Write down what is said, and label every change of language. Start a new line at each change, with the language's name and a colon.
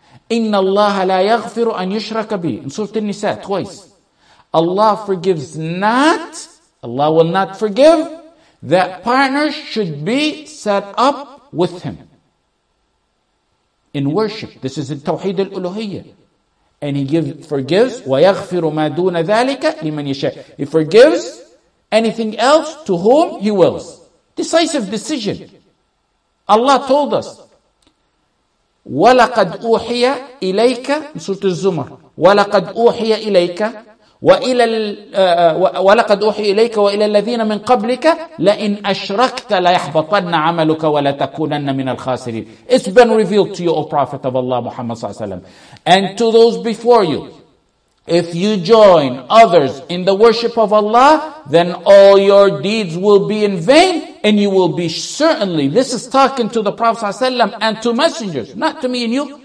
Arabic: إِنَّ اللَّهَ لَا يَغْفِرُ أَنْ يُشْرَكَ بِهِ.
English: In Surah An-Nisa, twice. Allah forgives not, Allah will not forgive, that partners should be set up with Him. In worship, this is in Tawheed al-Uluhiyya. And He forgives,
Arabic: وَيَغْفِرُ مَا دُونَ ذَلِكَ لِمَنْ يَشَاءُ.
English: He forgives anything else to whom He wills. Decisive decision. Allah told us,
Arabic: وَلَقَدْ أُوحِيَ إِلَيْكَ,
English: Surah Az-Zumar,
Arabic: وَلَقَدْ أُوحِيَ إِلَيْكَ وَلَقَدْ أُوحِيَ إِلَيْكَ وَإِلَى الَّذِينَ مِنْ قَبْلِكَ لَإِنْ أَشْرَكْتَ لَيَحْبَطَنَّ عَمَلُكَ وَلَتَكُونَنَّ مِنَ الْخَاسِرِينَ.
English: It's been revealed to you, O Prophet of Allah Muhammad Sallallahu Alaihi Wasallam, and to those before you, if you join others in the worship of Allah, then all your deeds will be in vain, and you will be certainly, this is talking to the Prophet Sallallahu Alaihi Wasallam and to messengers, not to me and you.